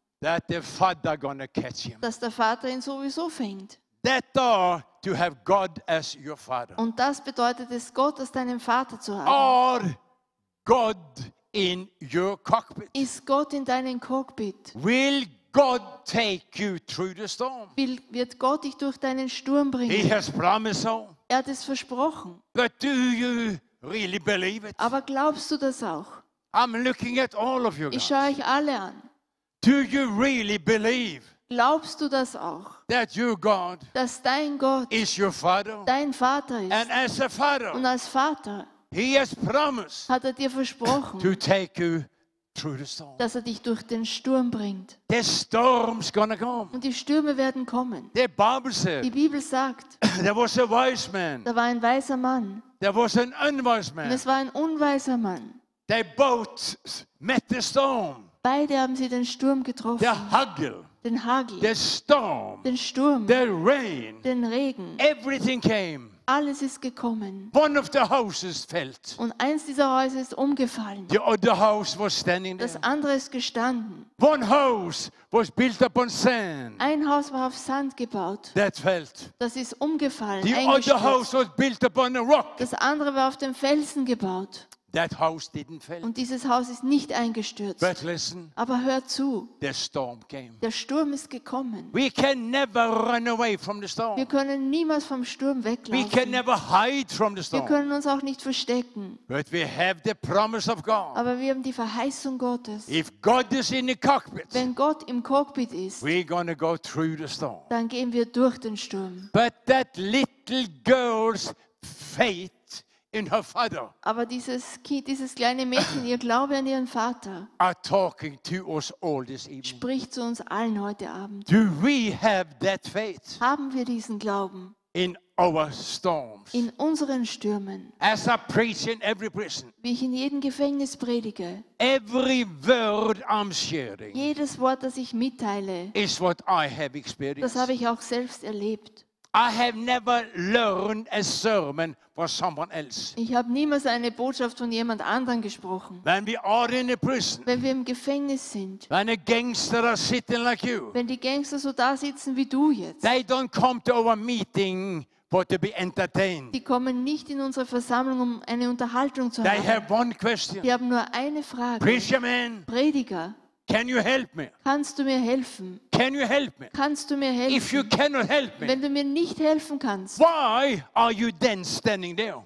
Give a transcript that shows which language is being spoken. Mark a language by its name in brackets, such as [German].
[English] That the father gonna catch him. [German] Dass der Vater ihn sowieso fängt. [English] That are to have God as your father. [German] Und das bedeutet es, Gott als deinen Vater zu haben. [English] Or God. In your cockpit. [German] Ist Gott in deinem Cockpit? [English] Will God take you through the storm? [German] Wird Gott dich durch deinen Sturm bringen? [English] He has promised so. [German] Er hat es versprochen. [English] But do you really believe it? [German] Aber glaubst du das auch? [English] I'm looking at all of you guys. [German] Ich schaue euch alle an. [English] Do you really believe? [German] Glaubst du das auch? [English] That your God. [German] Dass dein Gott. [English] Is your father. [German] Dein Vater ist. [English] And as a father. [German] Und als Vater. [English] He has promised [German] hat er dir versprochen, [English] to take you through the storm. [German] Dass er dich durch den Sturm bringt. [English] The storm's gonna come. [German] Und die Stürme werden kommen. [English] The Bible said, [German] die Bibel sagt, [English] there was a wise man. [German] Da war ein weiser Mann. [English] There was an unwise man. [German] Und es war ein unweiser Mann. [English] They both met the storm. [German] Beide haben sie den Sturm getroffen. [English] The hagel. [German] Den Hagel. [English] The storm. [German] Den Sturm. [English] The rain. [German] Den Regen. [English] Everything came. [German] Alles ist gekommen. [English] One of the houses fell. [German] Und eins dieser Häuser ist umgefallen. [English] The other house was standing there. [German] Das andere ist gestanden. [English] One house was built upon sand. [German] Ein Haus war auf Sand gebaut. [English] That fell. [German] Das ist umgefallen. [English] The other house was built upon a rock. [German] Das andere war auf dem Felsen gebaut. [English] That house didn't fall. [German] Und dieses Haus ist nicht eingestürzt. [English] But listen, [German] aber hör zu. [English] The storm came. [German] Der Sturm ist gekommen. [English] We can never run away from the storm. [German] Wir können niemals vom Sturm weglaufen. [English] We can never hide from the storm. [German] Wir können uns auch nicht verstecken. [English] But we have the promise of God. [German] Aber wir haben die Verheißung Gottes. [English] If God is in the cockpit, [German] wenn Gott im Cockpit ist, [English] we're gonna go through the storm. [German] Dann gehen wir durch den Sturm. [English] But that little girl's faith. In her father. [German] Aber dieses Kind, dieses kleine Mädchen, ihr Glaube an ihren Vater. [English] Are talking to us all this evening. [German] Spricht zu uns allen heute Abend. [English] Do we have that faith? [German] Haben wir diesen Glauben? [English] In over storms. [German] In unseren Stürmen. [English] As I preach in every prison. [German] Wie ich in jedem Gefängnis predige. [English] Every word I'm sharing. [German] Jedes Wort, das ich mitteile. [English] Is what I have experienced. [German] Das habe ich auch selbst erlebt. [English] I have never learned a sermon for someone else. [German] Ich habe niemals eine Botschaft von jemand anderem gesprochen. [English] When we are in a prison. [German] Wenn wir im Gefängnis sind. [English] When a gangster are sitting like you. [German] Wenn die Gangster so da sitzen wie du jetzt. [English] They don't come to our meeting for to be entertained. [German] Die kommen nicht in unsere Versammlung, um eine Unterhaltung zu [English] they [German] haben. [English] They have one question. [German] Die haben nur eine Frage. [English] Preacher man. [German] Prediger. [English] Can you help me? [German] Kannst du mir helfen? [English] Can you help me? [German] Kannst du mir helfen? [English] If you cannot help me, [German] wenn du mir nicht helfen kannst, [English] why are you then standing there?